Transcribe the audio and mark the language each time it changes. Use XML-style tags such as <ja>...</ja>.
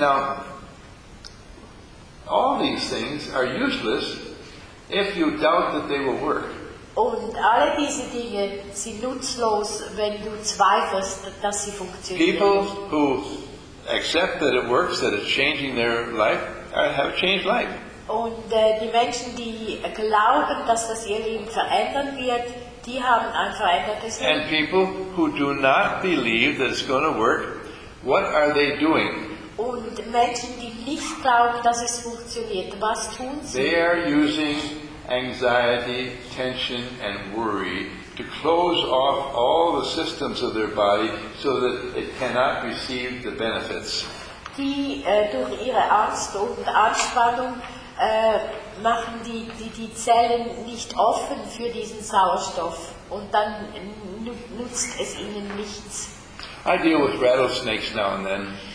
<en>Now, all these things are useless if you doubt that they will work.</en> <de>Und alle diese Dinge sind nutzlos, wenn du zweifelst, dass sie funktionieren.</de> <en>People who accept that it works, that it's changing their life, have changed life.</en> <de>Und die Menschen, die glauben, dass das ihr Leben verändern wird, die haben ein verändertes Leben.</de> <en>And people who do not believe that it's going to work, what are they doing?</en> <de>Und Menschen, die nicht glauben, dass es funktioniert, was tun sie?</de> <en>They are using anxiety, tension, and worry to close off all the systems of their body so that it cannot receive the benefits.</en> <de>Die durch ihre Angst und Anspannung machen die Zellen nicht offen für diesen Sauerstoff und dann nutzt es ihnen nichts.</de> <en>I deal with rattlesnakes now and then.</en>